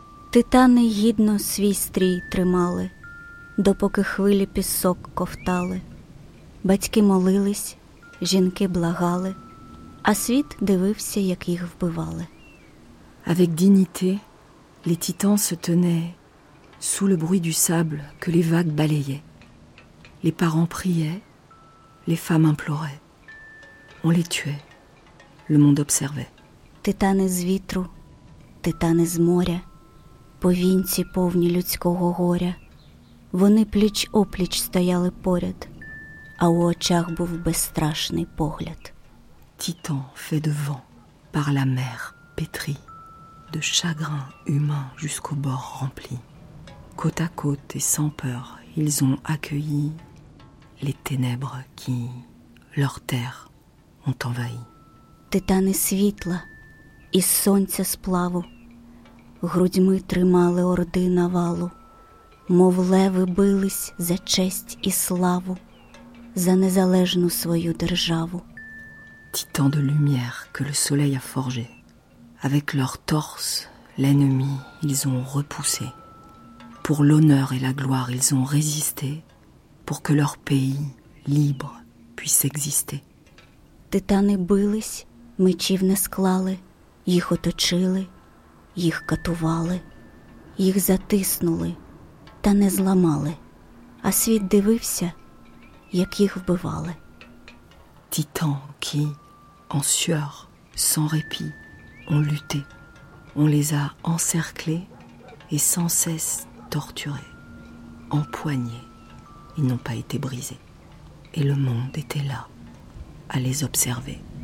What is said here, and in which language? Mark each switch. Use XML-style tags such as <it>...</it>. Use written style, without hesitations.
<uk>Титани гідно свій стрій тримали, допоки хвилі пісок ковтали. Батьки молились, жінки благали, а світ дивився, як їх вбивали.</uk> <fr>Avec dignité, les titans se tenaient sous le bruit du sable que les vagues balayaient. Les parents priaient, les femmes imploraient. On les tuait, le monde observait.</fr> <uk>Титани з вітру, титани з моря, повінці повні людського горя. Вони пліч-опліч стояли поряд, а у очах був безстрашний погляд.</uk> <fr>Титан fait de vent par la mer pétrie, de chagrin humain jusqu'au bord rempli. Côte à côte et sans peur, ils ont accueilli les ténèbres qui leur terre ont envahi.</fr> <uk>Титани світла і сонця сплаву, грудьми тримали орди навалу, мов леви бились за честь і славу. За незалежну свою державу.</uk> <fr>Titans de lumière que le soleil a forgé, avec leurs torses, l'ennemi, ils ont repoussé. Pour l'honneur et la gloire, ils ont résisté, pour que leur pays, libre, puisse exister.</fr> <uk>Титани бились, мечів не склали, їх оточили, їх катували, їх затиснули, та не зламали. А світ дивився, як їх вбивали.</uk> <fr>Titans qui, en sueur, sans répit, ont lutté. On les a encerclés et sans cesse torturés, empoignés. Ils n'ont pas été brisés. Et le monde était là, à les observer.</fr>